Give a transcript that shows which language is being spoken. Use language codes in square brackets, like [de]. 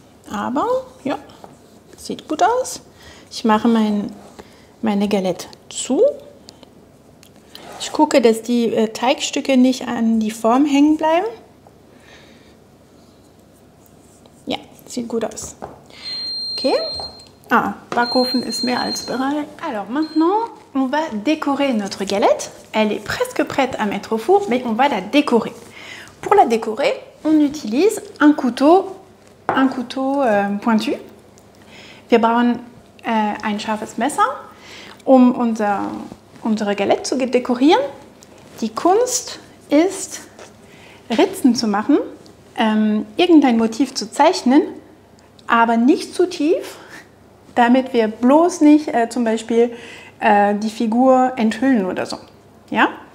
[de] Aber, ja, sieht gut aus. Ich mache meine Galette zu. Ich gucke, dass die Teigstücke nicht an die Form hängen bleiben. Ja, sieht gut aus. Okay. Ah, Backofen ist mehr als bereit. [fr] Alors maintenant, on va décorer notre galette. Elle est presque prête à mettre au four, mais on va la décorer. Pour la décorer, on utilise un couteau pointu. [de] Wir brauchen ein scharfes Messer, um unsere Galette zu dekorieren. Die Kunst ist, Ritzen zu machen, irgendein Motiv zu zeichnen, aber nicht zu tief, damit wir bloß nicht zum Beispiel die Figur enthüllen oder so. Ja?